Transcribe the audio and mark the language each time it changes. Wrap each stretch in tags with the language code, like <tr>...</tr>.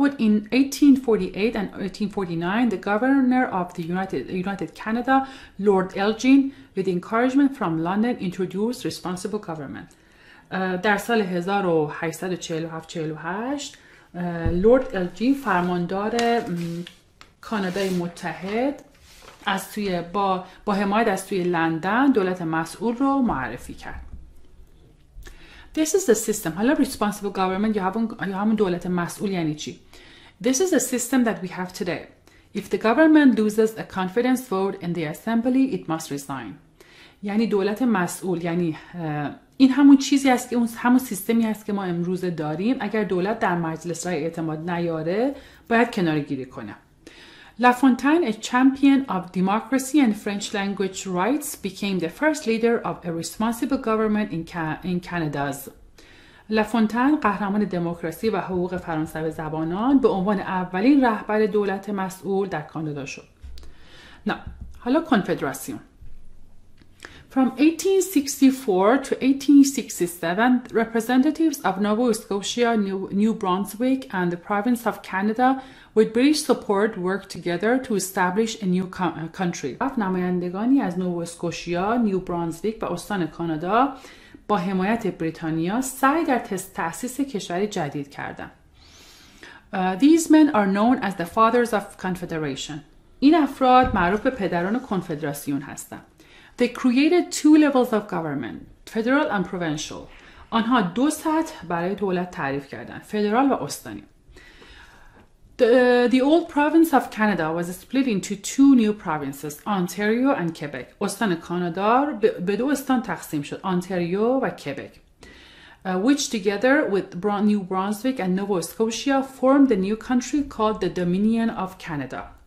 <en>In 1848 and 1849 the governor of the United Canada Lord Elgin with encouragement from London introduced responsible government.</en> <fa>در سال 1847-48 لورد الجین فرماندار کانادای متحد از توی با حمایت از توی لندن دولت مسئول رو معرفی کرد.</fa> <en>This is the system.</en> <fa>حالا responsible government یا همون دولت مسئول یعنی چی؟</fa> <en>This is the system that we have today. If the government loses a confidence vote in the assembly, it must resign.</en> <fa>یعنی دولت مسئول یعنی این همون چیزی است که اون همون سیستمی است که ما امروز داریم. اگر دولت در مجلس رای اعتماد نیاره باید کنارگیری کنه.</fa> <en>Lafontaine, a champion of democracy and French language rights, became the first leader of a responsible government in Canada.</en> <fa>Lafontaine, قهرمان دموکراسی و حقوق فرانسوی زبانان به عنوان اولین رهبر دولت مسئول در کانادا شد. نه، حالا کنفدراسیون.</fa> <en>From 1864 to 1867, representatives of Nova Scotia, New Brunswick, and the province of Canada, with British support, worked together to establish a new country.</en> <fa>نمایندگانی از نوو اسکوشیا، نیو برانزویک و استان کانادا با حمایت بریتانیا سعی در تأسیس کشوری جدید کردند.</fa> <en>These men are known as the fathers of confederation.</en> <fa>این افراد معروف به پدران کنفدراسیون هستند.</fa> <en>They created two levels of government, federal and provincial.</en> <fa>آنها دو سطح برای دولت تعریف کردند، فدرال و استانی.</fa> <en>The old province of Canada was split into two new provinces, Ontario and Quebec.</en> <fa>استان کانادا به دو استان تقسیم شد، آنتاریو و کبک.</fa> <en>Which together with New Brunswick and Nova Scotia formed a new country called the Dominion of Canada.</en>